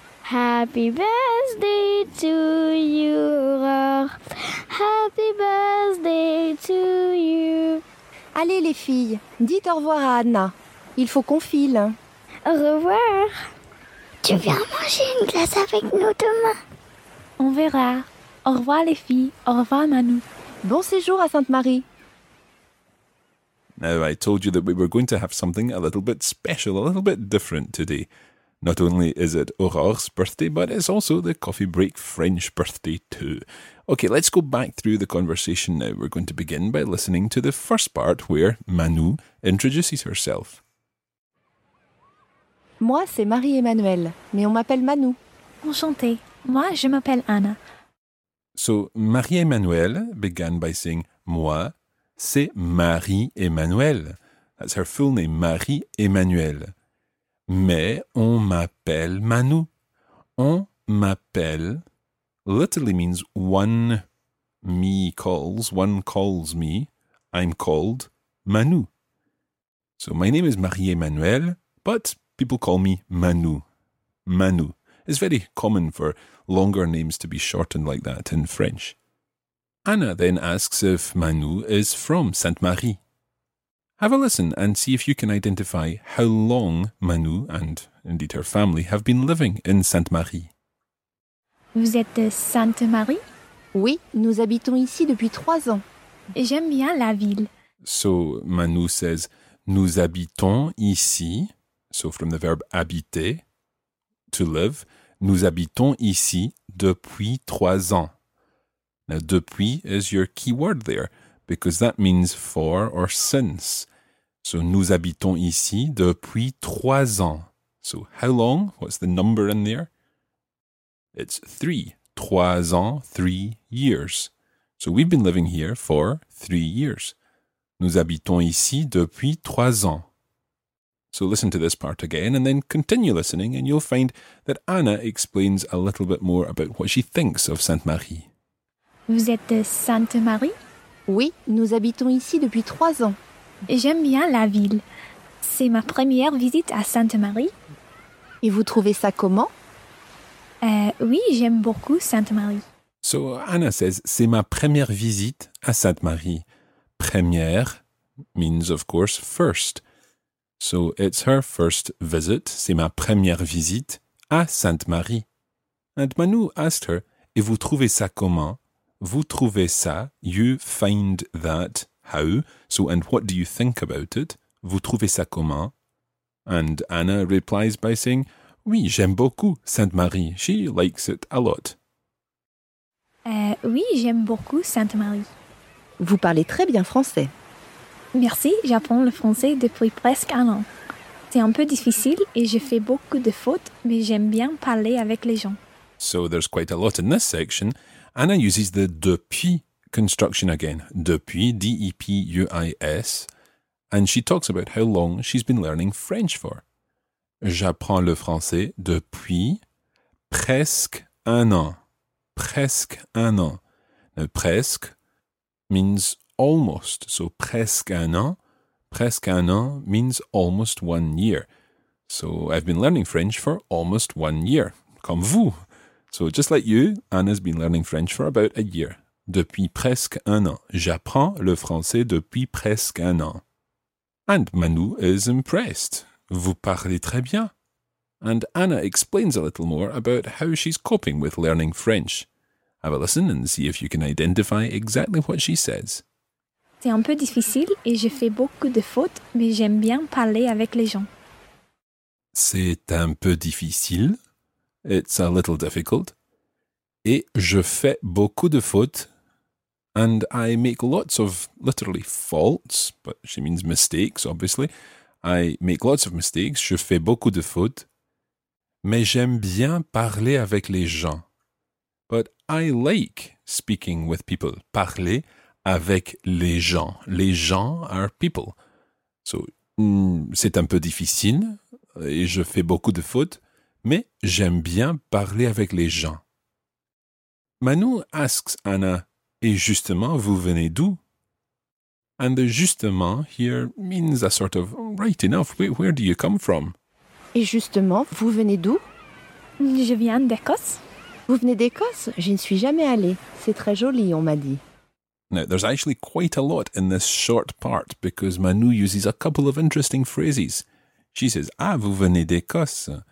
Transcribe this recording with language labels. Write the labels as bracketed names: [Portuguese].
[English] Happy Birthday to you, Aurore. Happy Birthday to you. [French] Allez, les filles, dites au revoir à Anna. Il faut qu'on file. Au revoir. Tu viens manger une glace avec nous demain? On verra. Au revoir les filles. Au revoir Manu. Bon séjour à Sainte-Marie. [English] Now I told you that we were going to have something a little bit special, a little bit different today. Not only is it Aurore's birthday, but it's also the Coffee Break French birthday too. Okay, let's go back through the conversation now. We're going to begin by listening to the first part where Manu introduces herself. [French] Moi, c'est Marie-Emmanuelle, mais on m'appelle Manu. Enchantée. Moi, je m'appelle Anna. [English] So, Marie-Emmanuelle began by saying, [French] moi, c'est Marie-Emmanuelle. [English] That's her full name, Marie-Emmanuelle. [French] Mais on m'appelle Manu. On m'appelle [English] literally means one me calls, one calls me. I'm called Manu. So, my name is Marie-Emmanuelle, but people call me Manu. Manu. It's very common for longer names to be shortened like that in French. Anna then asks if Manu is from Sainte-Marie. Have a listen and see if you can identify how long Manu and indeed her family have been living in Sainte-Marie. [French] Vous êtes de Sainte-Marie? Oui, nous habitons ici depuis 3 ans. J'aime bien la ville. [English] So Manu says, [French] nous habitons ici. [English] So from the verb habiter, to live, [French] nous habitons ici depuis 3 ans. [English] Now, depuis is your key word there, because that means for or since. [French] So nous habitons ici depuis 3 ans. [English] So how long? What's the number in there? It's 3. [French] 3 ans, [English] 3 years. So we've been living here for 3 years. [French] Nous habitons ici depuis 3 ans. [English] So listen to this part again and then continue listening and you'll find that Anna explains a little bit more about what she thinks of Sainte-Marie. [French] Vous êtes de Sainte-Marie? Oui, nous habitons ici depuis 3 ans. J'aime bien la ville. C'est ma première visite à Sainte-Marie. Et vous trouvez ça comment? Oui, j'aime beaucoup Sainte-Marie. [English] So Anna says, [French] c'est ma première visite à Sainte-Marie. [English] Première means, of course, first. So it's her first visit, [French] c'est ma première visite à Sainte-Marie. [English] And Manu asked her, [French] et vous trouvez ça comment? Vous trouvez ça, [English] you find that, how? So, and what do you think about it? [French] Vous trouvez ça comment? [English] And Anna replies by saying, [French] oui, j'aime beaucoup Sainte-Marie. [English] She likes it a lot. [French] Oui, j'aime beaucoup Sainte-Marie. Vous parlez très bien français. Merci, j'apprends le français depuis presque 1 an. C'est un peu difficile et je fais beaucoup de fautes, mais j'aime bien parler avec les gens. [English] So there's quite a lot in this section. Anna uses the depuis construction again. Depuis, D-E-P-U-I-S. And she talks about how long she's been learning French for. [French] J'apprends le français depuis presque 1 an. Presque 1 an. [English] Now, presque means almost. So, presque 1 an. [French] Presque 1 an [English] means almost 1 year. So, I've been learning French for almost 1 year. [French] Comme vous. [English] So, just like you, Anna's been learning French for about a year. [French] Depuis presque 1 an. J'apprends le français depuis presque 1 an. [English] And Manu is impressed. [French] Vous parlez très bien. [English] And Anna explains a little more about how she's coping with learning French. Have a listen and see if you can identify exactly what she says. [French] C'est un peu difficile et je fais beaucoup de fautes, mais j'aime bien parler avec les gens. C'est un peu difficile. [English] It's a little difficult. [French] Et je fais beaucoup de fautes. [English] And I make lots of, literally, faults, but she means mistakes, obviously. I make lots of mistakes. [French] Je fais beaucoup de fautes. Mais j'aime bien parler avec les gens. [English] But I like speaking with people. [French] Parler avec les gens. Les gens [English] are people. [French] So, c'est un peu difficile et je fais beaucoup de fautes. Mais j'aime bien parler avec les gens. [English] Manu asks Anna, [French] et justement, vous venez d'où? [English] And the justement here means a sort of, right enough, where do you come from? [French] Et justement, vous venez d'où? Je viens d'Écosse. Vous venez d'Écosse? Je ne suis jamais allée. C'est très joli, on m'a dit. [English] Now, there's actually quite a lot in this short part because Manu uses a couple of interesting phrases. She says, [French] ah, vous venez d'Écosse.